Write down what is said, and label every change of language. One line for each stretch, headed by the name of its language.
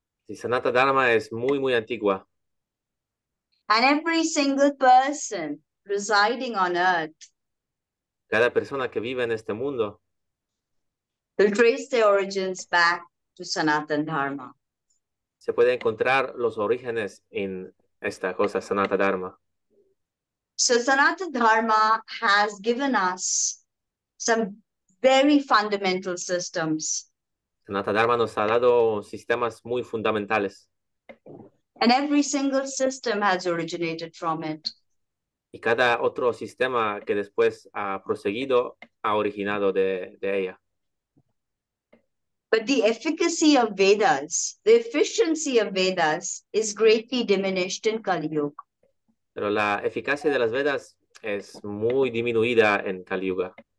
Spanish: Sí, Sanata Dharma es muy, muy antigua.
English: And every single person residing on earth,
Spanish: cada persona que vive en este mundo,
English: will trace their origins back to Sanatan Dharma.
Spanish: Se puede encontrar los orígenes en esta cosa, Sanata Dharma.
English: So Sanatan Dharma has given us some very fundamental systems.
Spanish: Sanatana Dharma nos ha dado sistemas muy fundamentales.
English: And every single system has originated from it.
Spanish: Y cada otro sistema que después ha proseguido ha originado de ella.
English: But the efficacy of Vedas, the efficiency of Vedas is greatly diminished in Kali Yuga.
Spanish: Pero la eficacia de las Vedas es muy disminuida en Kali Yuga.